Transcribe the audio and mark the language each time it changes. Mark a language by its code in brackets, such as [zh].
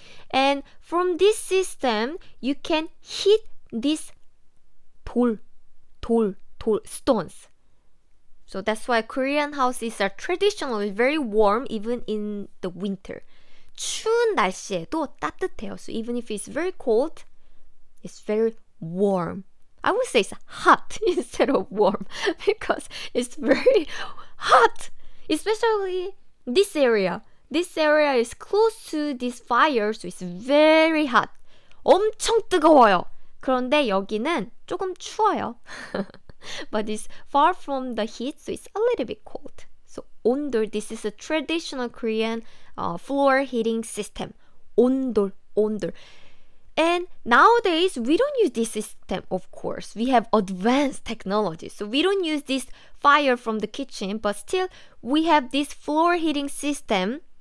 [en] And from this system, you can heat this dol, stones. So that's why Korean houses are traditionally very warm even in the winter. [ko] 추운 날씨에도 따뜻해요. [en] So even if it's very cold, it's very warm. I would say it's hot instead of warm because it's very hot. Especially this area. This area is close to this fire, so it's very hot. [ko] 엄청 뜨거워요. 그런데 여기는 조금 추워요. [en] But it's far from the heat, so it's a little bit cold. So ondol, this is a traditional Korean floor heating system. Ondol. And nowadays, we don't use this system, of course. We have advanced technology. So we don't use this fire from the kitchen, but still, we have this floor heating system.